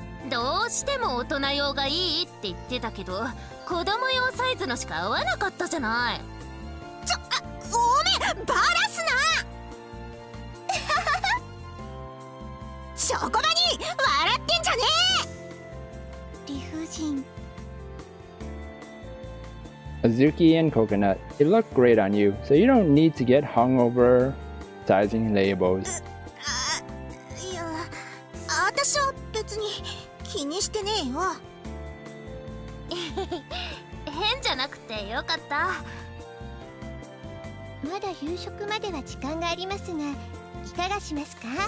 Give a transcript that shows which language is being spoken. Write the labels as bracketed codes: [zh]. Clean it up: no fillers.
[ja] どうしても大人用がいいって言ってたけど、子供用サイズのしか合わなかったじゃない。ちょ、あ、おめえバラすな。チョコバに笑ってんじゃねえ。理不尽。 [en] Azuki and Coconut, it looked great on you, so you don't need to get hung over sizing labels. [ja] いや、あたしは別に気にしてねえよ。変じゃなくてよかった。まだ夕食までは時間がありますが、いかがしますか？